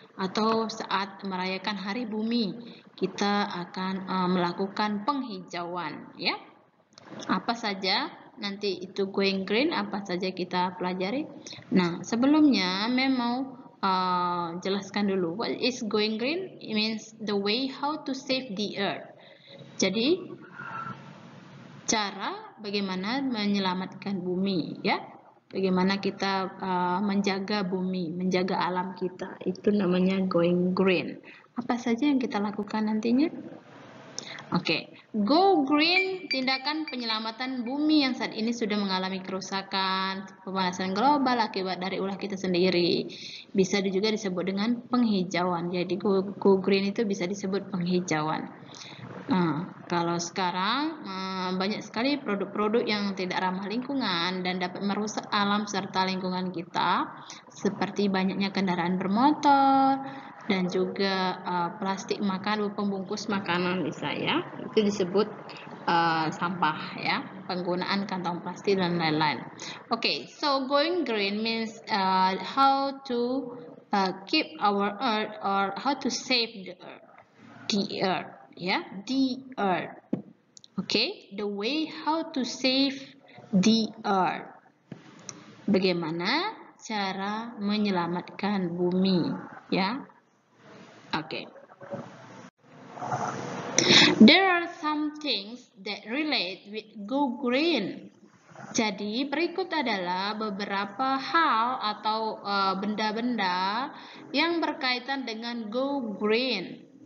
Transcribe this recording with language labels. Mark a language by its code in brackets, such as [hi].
[id] Atau saat merayakan Hari Bumi, kita akan melakukan penghijauan, ya. Apa saja nanti itu going green, apa saja kita pelajari. Nah, sebelumnya, mem mau jelaskan dulu. [en] What is going green? It means the way how to save the earth. [id] Jadi, cara bagaimana menyelamatkan bumi, ya. Bagaimana kita menjaga bumi, menjaga alam kita. Itu namanya going green. Apa saja yang kita lakukan nantinya? Oke, okay. Go green, tindakan penyelamatan bumi yang saat ini sudah mengalami kerusakan, pemanasan global akibat dari ulah kita sendiri. Bisa juga disebut dengan penghijauan. Jadi go green itu bisa disebut penghijauan. Kalau sekarang banyak sekali produk-produk yang tidak ramah lingkungan dan dapat merusak alam serta lingkungan kita, seperti banyaknya kendaraan bermotor dan juga plastik makanan, pembungkus makanan misalnya, itu disebut sampah ya, penggunaan kantong plastik dan lain-lain. [en] Oke, so going green means how to keep our earth or how to save the earth. Ya, the earth. Okay, the way how to save the earth. [id] Bagaimana cara menyelamatkan bumi? Ya, okay. [en] There are some things that relate with go green. [id] Jadi berikut adalah beberapa hal atau benda-benda yang berkaitan dengan go green.